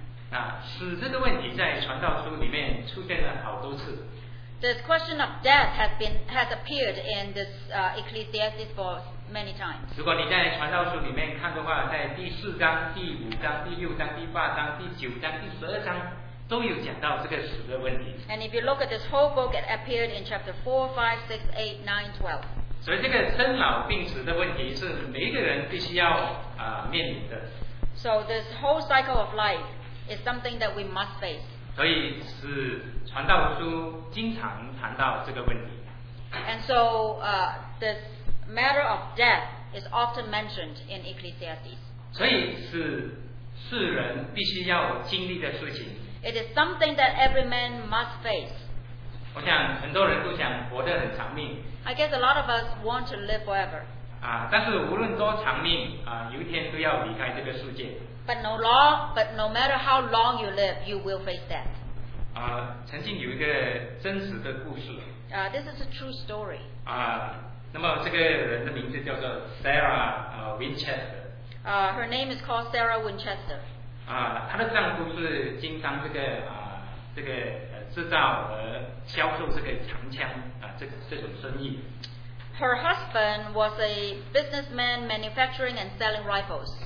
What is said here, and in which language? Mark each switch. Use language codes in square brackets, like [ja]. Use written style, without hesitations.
[zh] 那死这个问题在传道书里面出现了好多次。 [en] This question of death has appeared in this Ecclesiastes for many times. [zh] 如果你在传道书里面看的话，在第四章、第五章、第六章、第八章、第九章、第十二章。都有讲到这个死的问题。 [en] And if you look at this whole book, it appeared in chapter 4, 5, 6, 8, 9, 12. [zh] 所以这个生老病死的问题是每一个人必须要面临的。 [en] So this whole cycle of life is something that we must face. [zh] 所以是传道书经常谈到这个问题。 [en] And so this matter of death is often mentioned in Ecclesiastes. [zh] 所以是世人必须要经历的事情。 [en] It is something that every man must face. [zh] 我想很多人都想活得很长命。 [en] I guess a lot of us want to live forever. [zh] 但是无论多长命有一天都要离开这个世界。 [en] But no matter how long you live, you will face that. [zh] 曾经有一个真实的故事。 [en] This is a true story. [zh] 那么这个人的名字叫做 Sarah Winchester. [en] Her name is called Sarah Winchester. [zh] 她的丈夫是经商这个制造和销售这个长枪这种生意。 [en] Her husband was a businessman manufacturing and selling rifles.